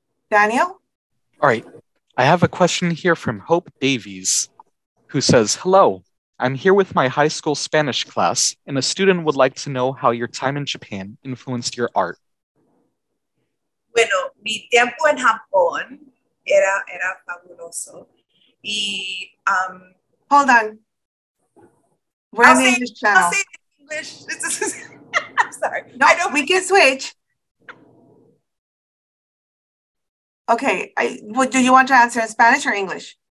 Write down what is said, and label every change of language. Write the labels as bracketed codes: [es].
[en] Daniel? All right. I have a question here from Hope Davies, who says, hello, I'm here with my high school Spanish class, and a student would like to know how your time in Japan influenced your art. [es] Bueno, mi tiempo en Japón era fabuloso. Y, [en] hold on. We're in the English channel. I'll say it in English. I'm sorry. No, I don't. We can switch. Okay, do you want to answer in Spanish or English?